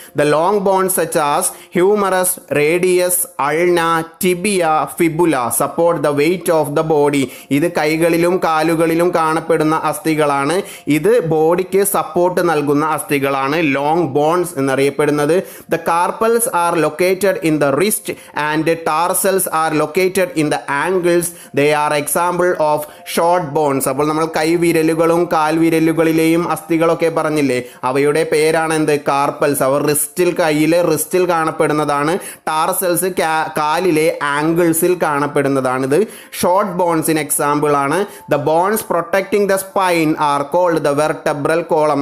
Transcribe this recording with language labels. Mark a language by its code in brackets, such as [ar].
[en] The long bones such as humerus, radius, ulna, tibia, fibula support the weight of the body. [ml] ഇത് കൈകളിലും കാലുകളിലും കാണപ്പെടുന്ന അസ്ഥികളാണ്. ഇത് ബോഡിക്ക് support നൽകുന്ന അസ്ഥികളാണ് ലോങ് ബോൺസ് എന്നറിയപ്പെടുന്നത്. [en] The carpals are located in the wrist and tarsals are located in the ankles. They are example of short bones. [ml] അപ്പോൾ നമ്മൾ കൈവിരലുകളും കാൽവിരലുകളിലെയും അസ്ഥികളൊക്കെ പറഞ്ഞില്ലേ, അവയുടെ പേരാണ് എന്ത്? കാർപ്പൽസ്, അവർ റിസ്റ്റിൽ, കയ്യിലെ റിസ്റ്റിൽ കാണപ്പെടുന്നതാണ്. ടാർസൽസ് കാലിലെ ആംഗിൾസിൽ കാണപ്പെടുന്നതാണ്. ഇത് ഷോർട്ട് ബോൺസിന് എക്സാമ്പിൾ ആണ്. [en] The bones protecting the spine are called the vertebral column.